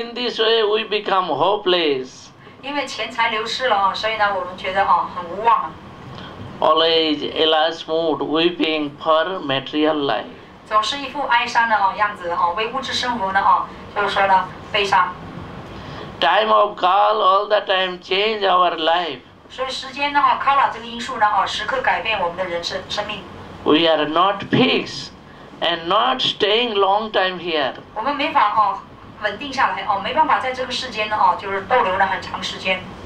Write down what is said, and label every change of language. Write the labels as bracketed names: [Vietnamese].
[English] In this way, we become hopeless. [Chinese] 因为钱财流失了，所以呢，我们觉得很无望。 [English] Always, alas, mood weeping for material life. [Chinese] 总是一副哀伤的样子，为物质生活悲伤。 [English] Time of call all the time change our life. [Chinese] 所以时间呢，call这个因素呢，时刻改变我们的生命。 [English] We are not pigs, and not staying long time here. [Chinese] 我们没法稳定下来，没办法在这个世间呢，逗留了很长时间。